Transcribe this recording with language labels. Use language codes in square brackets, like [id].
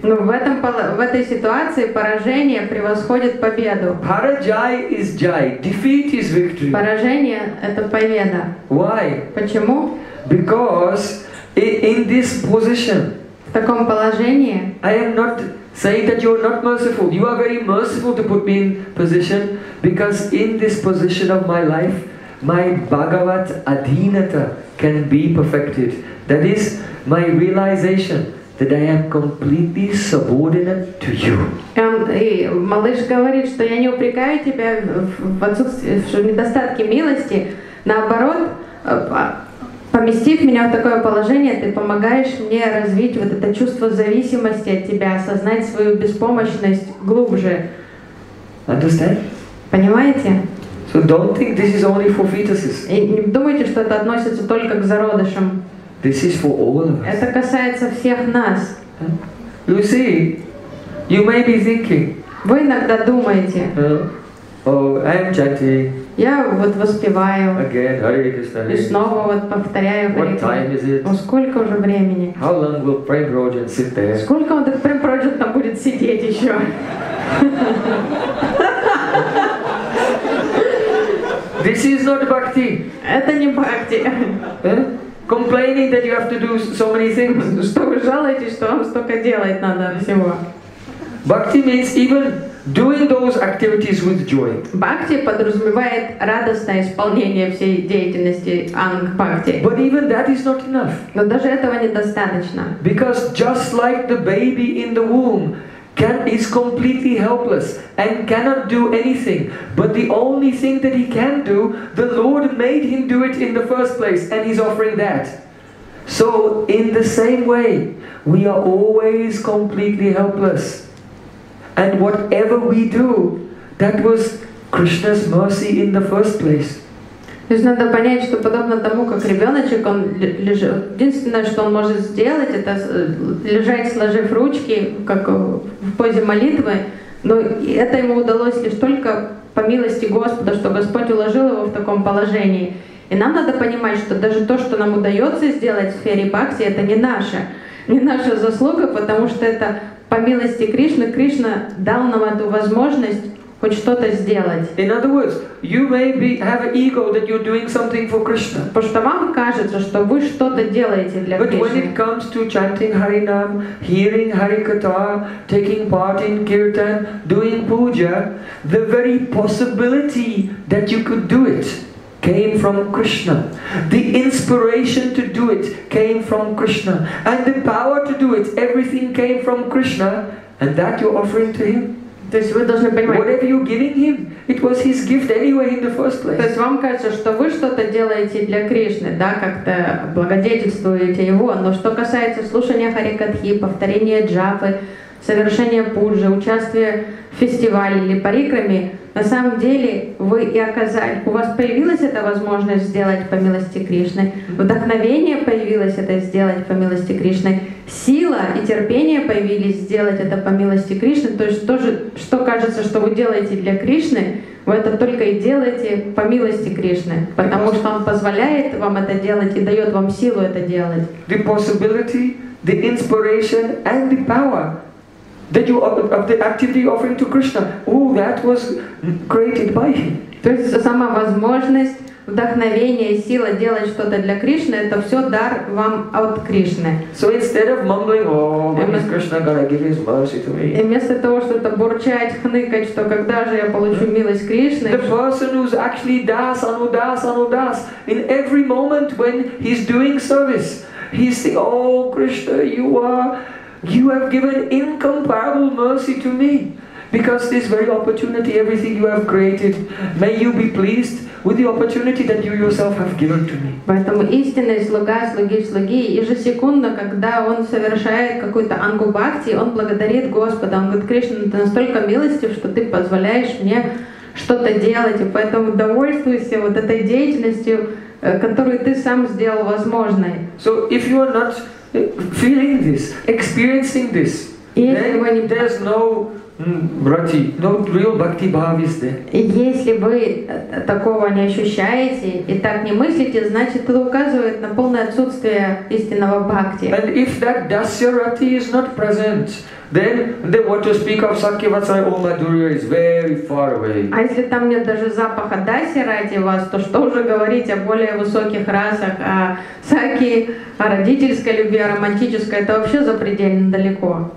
[ru] Но в этой ситуации поражение превосходит победу. [en] Parajay is jay. Defeat is victory. [ru] Поражение это победа. [en] Why? [ru] Почему? [en] Because in this position, [ru] в таком положении, [en] I am not Say that you are not merciful. You are very merciful to put me in position, because in this position of my life, my Bhagavat Adhinata can be perfected. That is my realization that I am completely subordinate to you. [ru] И малыш говорит, что я не упрекаю тебя в отсутствии, в недостатке милости. Наоборот, поместив меня в такое положение, ты помогаешь мне развить вот это чувство зависимости от тебя, осознать свою беспомощность глубже. [en] Understand? [ru] Понимаете? [en] So don't think this is only for fetuses. [ru] И не думайте, что это относится только к зародышам. [en] This is for all of us. [ru] Это касается всех нас. [en] You see, you may be thinking. [ru] Вы иногда думаете. [en] Oh, I am chanting. [ru] Я вот воспеваю. [en] Again, Hare Krishna. [ru] И снова вот повторяю. [en] What time is it? [ru] Ну сколько уже времени? [en] How long will Prayojan sit there? [ru] Сколько вот этот Prayojan там будет сидеть еще? [en] This is not bhakti. [ru] Это не бхакти. [en] Complaining that you have to do so many things. [ru] Что вы жалуетесь, что вам столько делать надо всего? [en] Bhakti means even doing those activities with joy. [ru] Бхакти подразумевает радостное исполнение всей деятельности анг-бхакти. [en] But even that is not enough. [ru] Но даже этого недостаточно. [en] Because just like the baby in the womb is completely helpless and cannot do anything, but the only thing that he can do, the Lord made him do it in the first place, and he's offering that. So in the same way, we are always completely helpless. And whatever we do, that was Krishna's mercy in the first place. [ru] То есть надо понять, что подобно тому, как ребеночек, он лежит. Единственное, что он может сделать, это лежать, сложив ручки, как в позе молитвы. Но это ему удалось лишь только по милости Господа, что Господь уложил его в таком положении. И нам надо понимать, что даже то, что нам удается сделать в сфере бхакти, это не наше, не наша заслуга, потому что это по милости Кришны. Кришна дал нам эту возможность хоть что-то сделать. [en] In other words, you may be have an ego that you're doing something for Krishna. [ru] Потому что вам кажется, что вы что-то делаете для [en] But [ru] Кришны. [en] But when it comes to chanting Harinam, hearing Harikatha, taking part in kirtan, doing puja, the very possibility that you could do it came from Krishna. The inspiration to do it came from Krishna. And the power to do it, everything came from Krishna, and that you're offering to him. [ru] То есть вы должны понимать. [en] Whatever you're giving him, it was his gift anyway in the first place. [ru] То есть вам кажется, что вы что-то делаете для Кришны, да, как-то благодетельствуете его. Но что касается слушания Харикатхи, повторения джапы, совершения пуджи, участия в фестивале или парикраме, на самом деле вы и оказали. У вас появилась эта возможность сделать по милости Кришны. Вдохновение появилось это сделать по милости Кришны. Сила и терпение появились сделать это по милости Кришны. То есть то же, что кажется, что вы делаете для Кришны, вы это только и делаете по милости Кришны. Потому что Он позволяет вам это делать и дает вам силу это делать. [en] The possibility, the inspiration and the power that you of the activity offering to Krishna. Oh, that was created by him. [ru] То есть сама возможность, вдохновение, сила делать что-то для Кришны, это все дар вам от Кришны. [en] So instead of mumbling, oh, when is Krishna gonna give his mercy to me? [ru] И вместо того, что-то бурчать, хныкать, что когда же я получу милость Кришны? [en] The person who's actually das, anudas, anudas, in every moment when he's doing service, he's saying, oh, Krishna, you are. You have given incomparable mercy to me, because this very opportunity, everything you have created, may you be pleased with the opportunity that you yourself have given to me. [ru] Поэтому истинный слуга, слуги, слуги, ежесекундно, когда он совершает какую-то ангу бхакти, он благодарит Господа. Он говорит, Кришна, ты настолько милостив, что ты позволяешь мне что-то делать, и поэтому довольствуйся вот этой деятельностью, которую ты сам сделал возможной. [en] So if you are not feeling this, experiencing this, then there's no bhakti, no real bhakti bhav is there. [ru] Если вы такого не ощущаете и так не мыслите, значит это указывает на полное отсутствие истинного бхакти. [en] And if that dasya rati is not present, Then what you speak of Sankhya Vatsalya, all Madhurya is very far away. [ru] А если там нет даже запаха даси ради вас, то что уже говорить о более высоких расах, о саки, о родительской любви, о романтической, это вообще запредельно далеко.